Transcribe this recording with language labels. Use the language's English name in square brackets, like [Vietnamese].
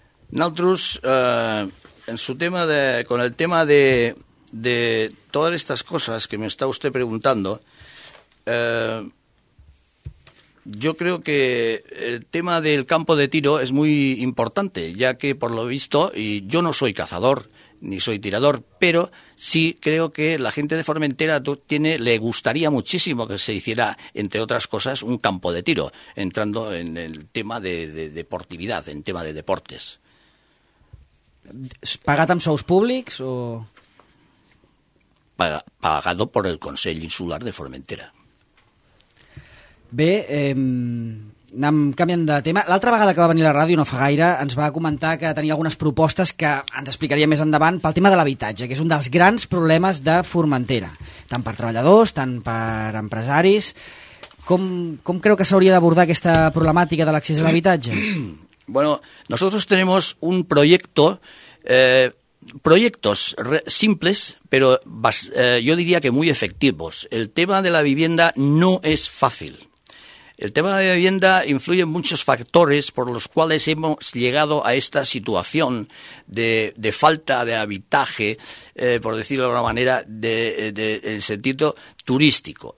[Catalan] Nosaltres, [Spanish] en su tema de, con el tema de todas estas cosas que me está usted preguntando, yo creo que el tema del campo de tiro es muy importante, ya que por lo visto, y yo no soy cazador ni soy tirador, pero sí creo que la gente de Formentera le gustaría muchísimo que se hiciera, entre otras cosas, un campo de tiro, entrando en el tema de deportividad, en tema de deportes. [Catalan] ¿Pagat amb sous públics o...? [Spanish] Pagado por el Consell Insular de Formentera. [Catalan] Bé, anem canviant de tema. L'altra vegada que va venir a la ràdio, no fa gaire, ens va comentar que tenia algunes propostes que ens explicaria més endavant pel tema de l'habitatge, que és un dels grans problemes de Formentera, tant per treballadors, tant per empresaris. Com creu que s'hauria d'abordar aquesta problemàtica de l'accés a l'habitatge? [Spanish] Bueno, nosotros tenemos un proyecto, proyectos simples, pero yo diría que muy efectivos. El tema de la vivienda no es fácil. El tema de la vivienda influye en muchos factores por los cuales hemos llegado a esta situación de falta de habitaje, por decirlo de alguna manera, en sentido turístico.